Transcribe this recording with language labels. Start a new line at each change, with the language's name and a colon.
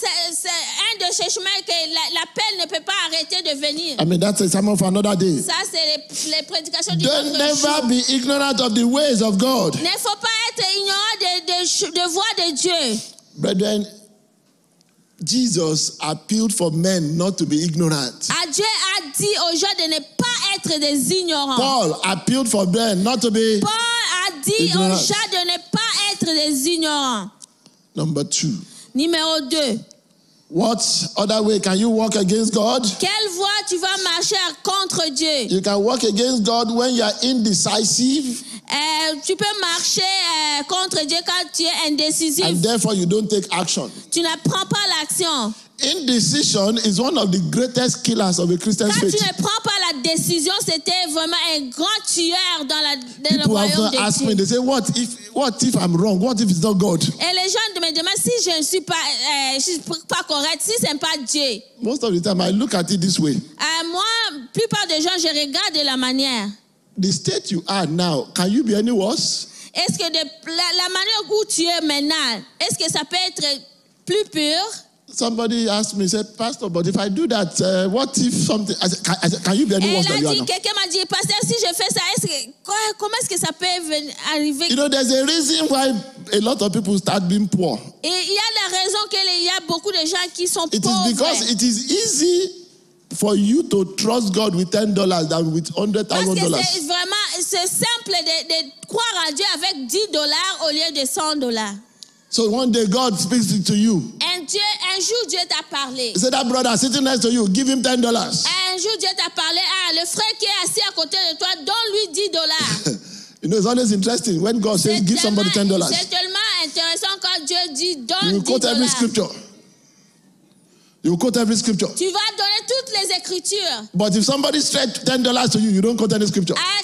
French: C'est un de ces chemins que l'appel ne peut pas arrêter de venir.
English: I mean, that's a sermon for another day.
French: Ça, c'est les prédications du
English: Don't never
French: jour.
English: Be ignorant of the ways of God.
French: Ne faut pas être ignorant de voix de Dieu.
English: Brethren, Jesus appealed for men not to be ignorant.
French: Dieu a dit aux gens de ne pas être des ignorants.
English: Paul appealed for men not to be
French: Paul a dit
English: ignorant.
French: Aux gens de ne pas être des ignorants.
English: Number two.
French: Numéro 2.
English: What other way can you walk against God?
French: Quelle voie tu vas marcher contre Dieu?
English: You can walk against God when you are indecisive.
French: Tu peux marcher contre Dieu quand tu es indécisif.
English: And therefore you don't take action.
French: Tu ne prends pas l'action.
English: Indecision is one of the greatest killers of a Christian faith.
French: Quand tu ne prends pas la décision, c'était vraiment un grand tueur dans la dans le royaume de Dieu.
English: People often ask me, they say, what if I'm wrong? What if it's not God?
French: Et les gens me demandent si je ne suis pas correct, si c'est pas Dieu.
English: Most of the time, I look at it this way.
French: Moi, plupart des gens, je regarde de la manière.
English: The state you are now, can you be any worse?
French: Est-ce que de la manière où tu es maintenant, est-ce que ça peut être plus pur?
English: Somebody asked me, said, Pastor, but if I do that, what if something? I said, can you be any worse than you are?
French: Quelqu'un m'a dit, Pasteur, si je fais ça, comment est-ce que ça peut arriver?
English: You know, there's a reason why a lot of people start being poor.
French: Et il y a la raison qu'il y a beaucoup de gens qui sont pauvres.
English: It is because it is easy for you to trust God with $10 than with $100,000.
French: Parce que c'est vraiment, c'est simple de croire à Dieu avec $10 au lieu de $100.
English: So one day God speaks to you.
French: And Dieu, un jour Dieu t'a parlé.
English: He said, that brother sitting next to you, give him $10.
French: Un jour Dieu t'a parlé. Ah, le frère qui est assis à côté de toi, donne-lui $10.
English: You know, it's always interesting when God says, give somebody $10.
French: C'est tellement intéressant quand Dieu dit, donne $10.
English: You quote every scripture. You quote every scripture.
French: Tu vas donner toutes les écritures.
English: But if somebody straight $10 to you, you don't quote any scripture.